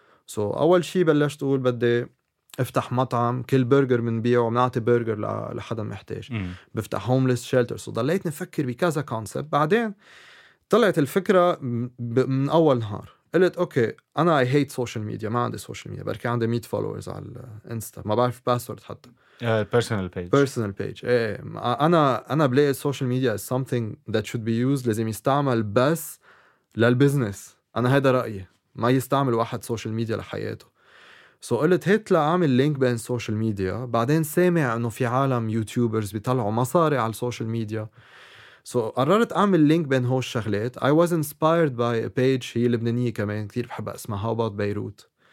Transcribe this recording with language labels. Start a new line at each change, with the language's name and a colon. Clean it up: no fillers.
Arabic: so أول شيء بلشت أقول بدي افتح مطعم كل برجر منبيعه ومنعطي برجر لحدا محتاج. بفتح هوملس شيلتر. وضليت نفكر بكذا كونسبت. بعدين طلعت الفكرة من أول نهار، قلت أوكي أنا
English: I hate social media،
Arabic: ما عندي social media، بركي عندي 100 followers على الانستا، ما بعرف باسورد حتى.
English: personal page.
Arabic: أنا بلاقي
English: social media is something that should be used،
Arabic: لازم يستعمل بس للبزنس. أنا هذا رأيي، ما يستعمل واحد social media لحياته. سو قلت هات لأعمل لينك بين سوشيال ميديا. بعدين سامع انه في عالم يوتيوبرز بيطلعوا مصاري على السوشيال ميديا، سو قررت اعمل لينك بين هول الشغلات.
English: I was inspired by a page،
Arabic: هي لبنانية كمان كتير بحبها، اسمها
English: How About Beirut.